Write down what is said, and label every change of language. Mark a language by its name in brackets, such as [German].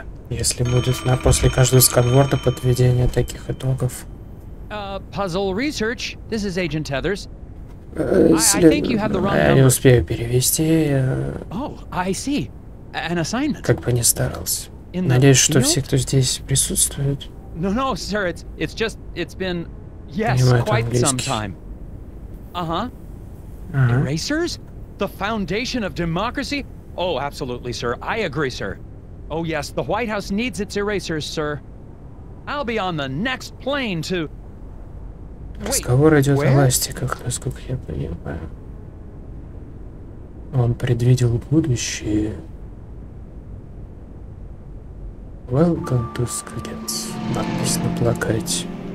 [Russian] Если будет на после каждого сканворда подведение таких итогов. [English] Puzzle research. This is Agent Tethers. [Russian] Я не успею перевести. [English] I see. An assignment. [Russian] Как бы не старался. Надеюсь, что все, кто здесь присутствует. [English] No, sir. It's just it's been yes quite some time. Erasers? The foundation of democracy? Oh, absolutely, sir. I agree, sir. Oh yes, the White House needs its erasers, sir. I'll be on the next plane to. [Russian] Разговор идет о ластиках, насколько я понимаю. Он предвидел будущее. [English] Welcome to Skagets. [Russian] Надпись на плакате.